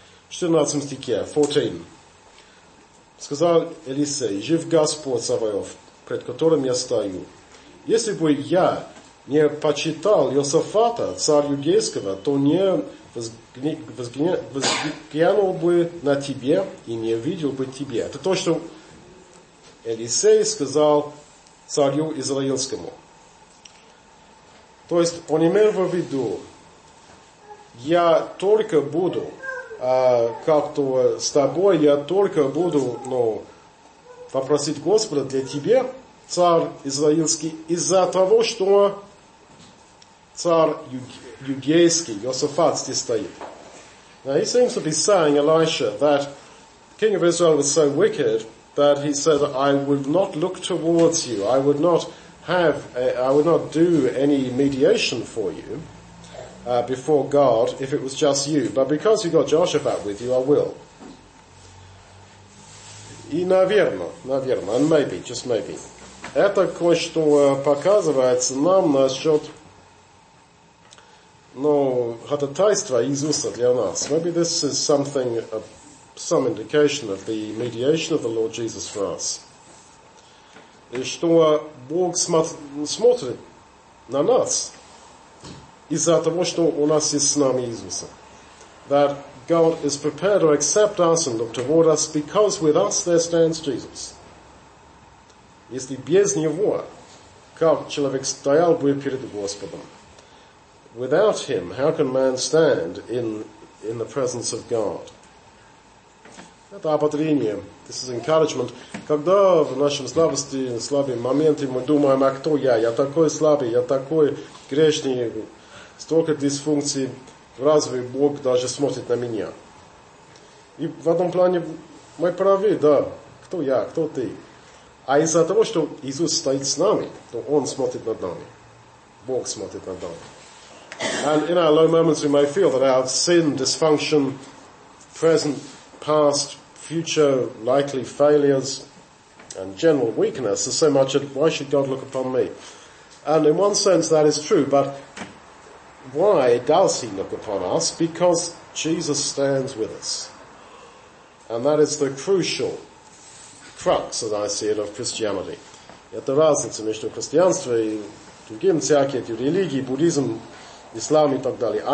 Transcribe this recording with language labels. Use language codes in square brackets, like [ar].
[ru] 14 стихе, 14. Сказал Елисей, жив Господь Саваоф, пред которым я стою. Если бы я не почитал Йосафата, царь Иудейского, то не возглянул бы на тебе и не видел бы тебе. Это то, что Елисей сказал царю Израильскому. То есть он имел в виду, я только буду как-то с тобой, я только буду попросить Господа для тебя, царь Израильский, из-за того, что царь Иудейский, Йосафат, здесь стоит. [en] Now, he seems to be saying, Elisha, that the king of Israel was so wicked that he said, I would not look towards you, I would not do any mediation for you before God if it was just you. But because you got Jehoshaphat with you, I will. [ru] И, наверное, [en] and maybe, just maybe. [ru] Это кое-что показывается нам насчет ходатайства Иисуса для нас. [en] Maybe this is something, some indication of the mediation of the Lord Jesus for us. [ru] И что Бог смотрит на нас из-за того, что у нас есть с нами Иисуса. [en] That God is prepared to accept us and look toward us because with us there stands Jesus. [ru] Если без Него, как человек стоял бы перед Господом? [en] Without Him, how can man stand in the presence of God? [ru] Это ободрение, [en] this is encouragement. [ru] Когда в нашем слабости, слабые моменты мы думаем, а кто я? Я такой слабый, я такой грешный, столько дисфункций, разве Бог даже смотрит на меня? И в этом плане мы правы, да, кто я, кто ты? А из-за того, что Иисус стоит с нами, то Он смотрит над нами. Бог смотрит над нами. [en] And in our low moments we may feel that our sin, dysfunction, present, past, future, likely failures, and general weakness is so much that why should God look upon me? And in one sense that is true, but why does He look upon us? Because Jesus stands with us. And that is the crucial crux, as I see it, of Christianity. [ru] Это разница между христианством и другими церквями, религией, буддизмом, ислам и так далее.